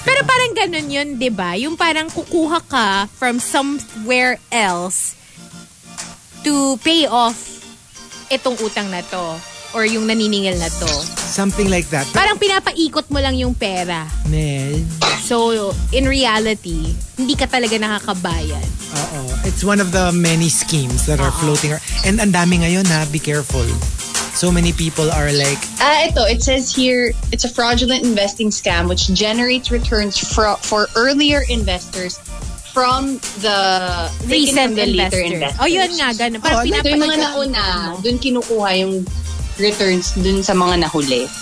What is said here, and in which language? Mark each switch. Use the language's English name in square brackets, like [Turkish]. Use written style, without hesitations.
[Filipino] Pero parang ganun yun, di ba? Yung parang kukuha ka from somewhere else [English] to pay off [Filipino] itong utang na to or yung naniningil na to. [English] Something like that. [Filipino] Parang pinapaikot mo lang yung pera. Med. [English] So, in reality, [Filipino] hindi ka talaga nakakabayad. Oo. [English] It's one of the many schemes that are floating around. [Filipino] And ang dami ngayon ha, [English] be careful. So many people are like... Ito, it says here, it's a fraudulent investing scam which generates returns for earlier investors from the... Recent investors. [Filipino] Oh, yun nga, ganun. Parang pinapalagyan. Yung mga nauna, dun kinukuha yung returns dun sa mga nahuli.